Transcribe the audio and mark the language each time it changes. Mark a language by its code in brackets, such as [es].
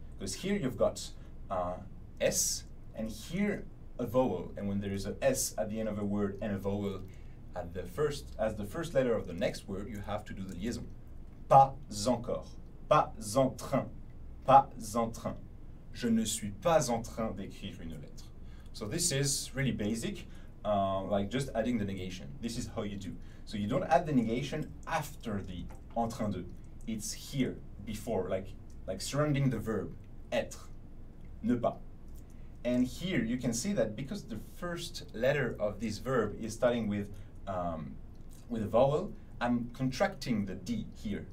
[en] Because here you've got an S and here a vowel. And when there is an S at the end of a word and a vowel at the first, as the first letter of the next word, you have to do the liaison. [fr] Pas encore. Pas en train. Pas en train. Je ne suis pas en train d'écrire une lettre. [en] So this is really basic, like just adding the negation. This is how you do. So you don't add the negation after the en train de. It's here, before, like surrounding the verb, être, ne pas. And here you can see that because the first letter of this verb is starting with a vowel, I'm contracting the D here.